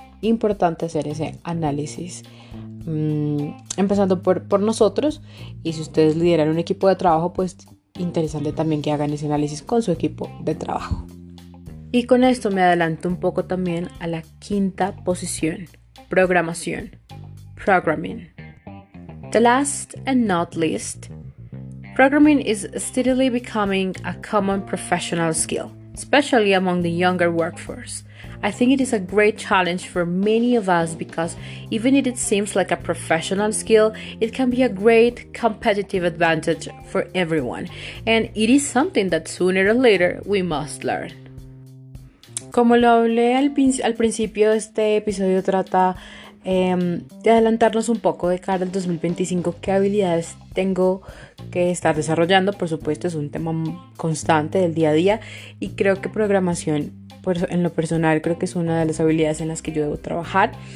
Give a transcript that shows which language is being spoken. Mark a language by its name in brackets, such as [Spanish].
[Spanish] Importante hacer ese análisis, empezando por nosotros, y si ustedes lideran un equipo de trabajo, pues interesante también que hagan ese análisis con su equipo de trabajo. Y con esto me adelanto un poco también a la quinta posición, programación, programming. [English] The last and not least, programming is steadily becoming a common professional skill, especially among the younger workforce. I think it is a great challenge for many of us because even if it seems like a professional skill, it can be a great competitive advantage for everyone. And it is something that sooner or later we must learn. [Spanish] Como lo hablé al principio, este episodio trata de adelantarnos un poco de cara al 2025, qué habilidades tengo que estar desarrollando. Por supuesto, es un tema constante del día a día, y creo que programación, en lo personal, creo que es una de las habilidades en las que yo debo trabajar.